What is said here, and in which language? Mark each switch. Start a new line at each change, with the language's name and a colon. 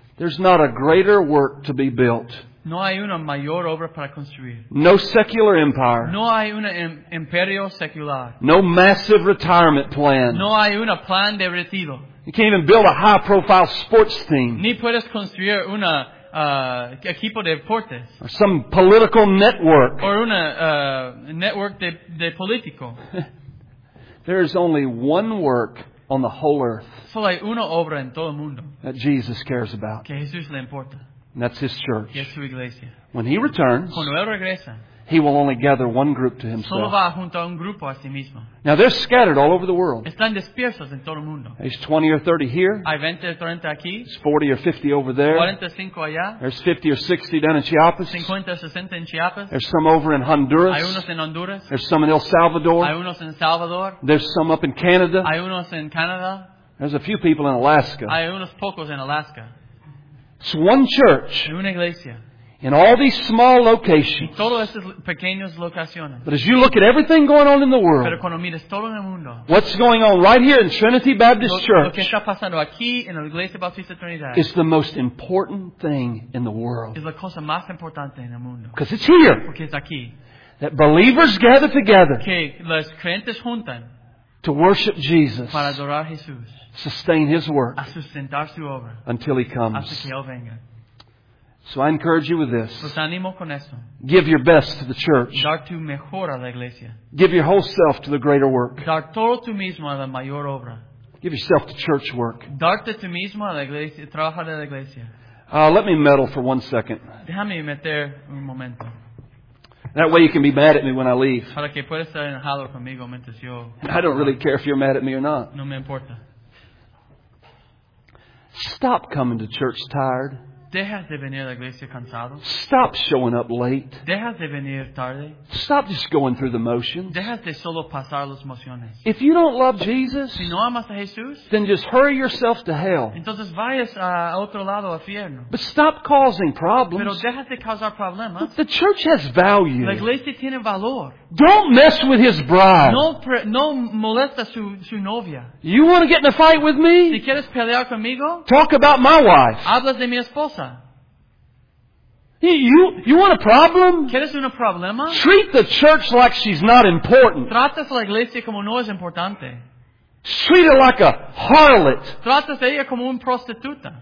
English: There's not a greater work to be built.
Spanish: No hay una mayor obra para construir.
English: No secular empire.
Spanish: No hay un imperio secular.
English: No massive retirement plan.
Spanish: No hay un plan de retiro.
English: You can't even build a high-profile sports team.
Spanish: Ni puedes construir una equipo de deportes.
English: Or some political network.
Spanish: Or una network de político.
English: There is only one work on the whole earth.
Spanish: Solo hay una obra en todo el mundo.
English: That Jesus cares about.
Spanish: Que Jesús le importa.
English: And that's His church.
Spanish: Y es su iglesia.
English: When He returns,
Spanish: cuando él regresa,
English: He will only gather one group to Himself.
Spanish: Solo va a juntar un grupo a sí mismo.
English: Now they're scattered all over the world.
Spanish: Están dispersos en todo el mundo.
English: There's 20 or 30 here.
Spanish: Hay 20 o 30 aquí.
English: There's 40 or 50 over there.
Spanish: 45 allá.
English: There's 50 or 60 down in Chiapas.
Spanish: 50 o 60 en Chiapas.
English: There's some over in Honduras.
Spanish: Hay unos en Honduras.
English: There's some in El Salvador.
Spanish: Hay unos en Salvador.
English: There's some up in Canada.
Spanish: Hay unos en Canadá.
English: There's a few people in Alaska.
Spanish: Hay unos pocos en Alaska.
English: It's one church.
Spanish: Una iglesia.
English: In all these small locations.
Spanish: Y todas esas pequeñas locaciones.
English: But as you look at everything going on in the world.
Spanish: Pero cuando miras todo en el mundo.
English: What's going on right here in Trinity Baptist Church.
Spanish: Lo que está pasando aquí en la iglesia Bautista Trinidad.
English: Is the most important thing in the world.
Spanish: Es la cosa más importante en el mundo.
English: Because it's here.
Spanish: Porque es aquí.
English: That believers gather together.
Spanish: Que los creyentes juntan.
English: To worship Jesus.
Spanish: Para adorar a Jesús.
English: Sustain His work.
Spanish: A sustentar su obra.
English: Until He comes.
Spanish: Hasta que él venga.
English: So I encourage you with this.
Spanish: Los animo con esto.
English: Give your best to the church.
Spanish: Dar tu mejor a la iglesia.
English: Give your whole self to the greater work.
Spanish: Dar todo tú mismo a la mayor obra.
English: Give yourself to church work.
Spanish: Darte tú mismo a la iglesia, trabajar de la iglesia.
English: Let me meddle for 1 second.
Spanish: Déjame meter un momento.
English: That way you can be mad at me when I leave.
Spanish: Para que puedas estar enojado conmigo mientras yo.
English: I don't really care if you're mad at me or not.
Spanish: No me importa.
English: Stop coming to church tired.
Spanish: Deja de venir a la iglesia cansado.
English: Stop showing up late.
Spanish: Deja de venir tarde.
English: Stop just going through the motions.
Spanish: Deja de solo pasar las emociones.
English: If you don't love Jesus,
Spanish: si no amas a Jesús,
English: then just hurry yourself to hell.
Spanish: Entonces vayas a otro lado, al infierno.
English: But stop causing problems.
Spanish: Pero deja de causar problemas.
English: The church has value.
Spanish: La iglesia tiene valor.
English: Don't mess with his bride.
Spanish: No molesta su novia.
English: You want to get in a fight with me?
Spanish: Si quieres pelear conmigo,
English: talk about my wife.
Spanish: Hablas de mi esposa.
English: You want a problem?
Spanish: ¿Quieres un problema?
English: Treat the church like she's not important.
Spanish: Tratas a la iglesia como no es importante.
English: Treat her like a harlot.
Spanish: Tratas a ella como una prostituta.